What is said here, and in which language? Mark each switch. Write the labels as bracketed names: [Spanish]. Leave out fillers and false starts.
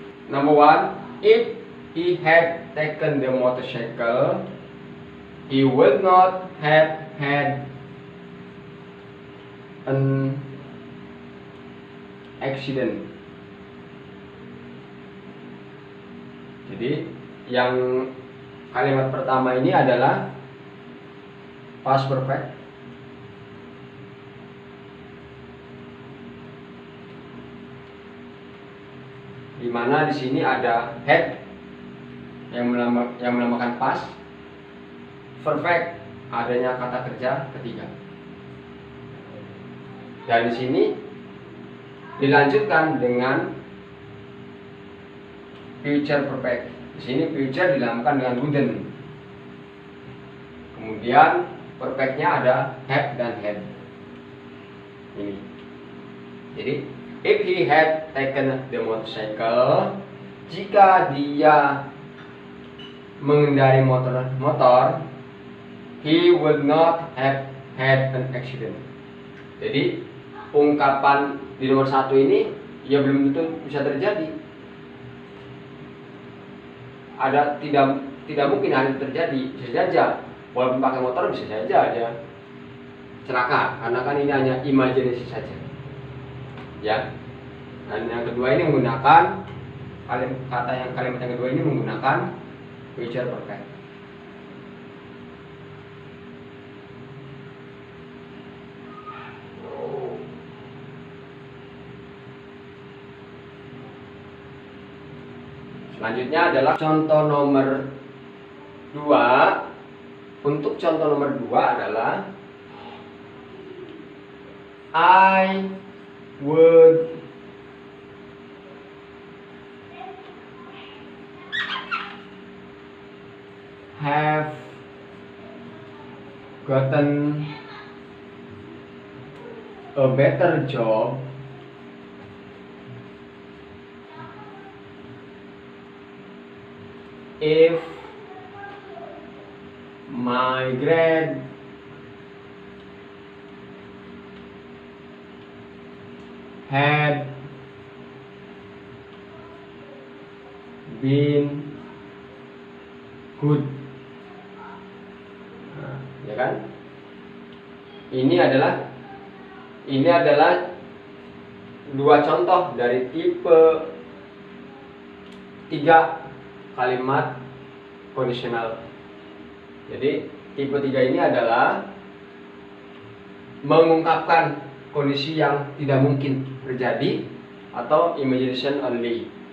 [English] number one if he had taken the motorcycle he would not have had an accident. [Indonesian] Jadi yang kalimat pertama ini adalah past perfect. Di mana di sini ada had yang menamakan past perfect adanya kata kerja ketiga. Dan di sini dilanjutkan dengan future perfect. Di sini future dilambangkan dengan wouldn. Kemudian perfectnya ada have dan had. Ini. [English] Jadi if he had taken the motorcycle, [Indonesian] jika dia mengendari motor, [English] he would not have had an accident. [Indonesian] Jadi ungkapan di nomor satu ini ya belum tentu bisa terjadi. Ada tidak mungkin hal itu terjadi. Bisa saja walaupun pakai motor bisa saja aja celaka, karena kan ini hanya imajinasi saja. Ya. Dan yang kedua ini menggunakan kalimat yang kedua ini menggunakan future perfect. Selanjutnya adalah contoh nomor 2. [English] Untuk contoh nomor 2 adalah I would have gotten a better job if my grad had been good. [Indonesian] Nah, ya kan? Ini adalah dua contoh dari tipe 3 kalimat kondisional. Jadi tipe 3 ini adalah mengungkapkan kondisi yang tidak mungkin terjadi atau [English] imagination only.